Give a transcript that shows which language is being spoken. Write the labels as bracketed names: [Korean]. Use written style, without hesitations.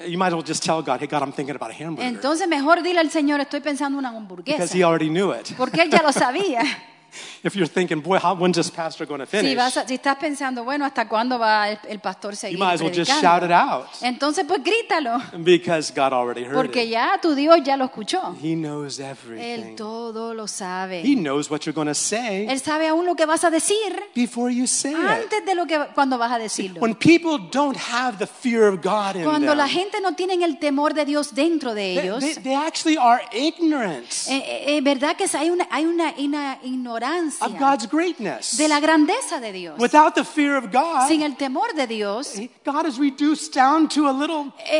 [English] you might as well just tell God, hey God, I'm thinking about a hamburger. [Spanish] Entonces mejor dile al Señor, estoy pensando en una hamburguesa. [English] Because he already knew it. [Spanish] Porque él ya lo sabía. [English] If you're thinking, boy, when's this pastor going to finish? [Spanish] Si estás pensando, bueno, ¿hasta cuándo va el pastor seguir predicando? [English] You might as well just shout it out. [Spanish] Entonces, pues, grítalo. [English] Because God already heard [Spanish] porque [English] it. [Spanish] Porque ya tu Dios ya lo escuchó. [English] He knows everything. [Spanish] Él todo lo sabe. [English] He knows what you're going to say. [Spanish] Él sabe aún lo que vas a decir. [English] Before you say it. [Spanish] Antes de lo que cuando vas a decirlo. [English] See, when people don't have the fear of God in [Spanish] cuando Cuando la gente no tienen el temor de Dios dentro de ellos. [English] They actually are ignorant. [Spanish] ¿Verdad que hay una ignorancia? [English] Of God's greatness. [Spanish] De la grandeza de Dios. [English] Without the fear of God, [Spanish] sin el temor de Dios, [English] God is reduced down to a little.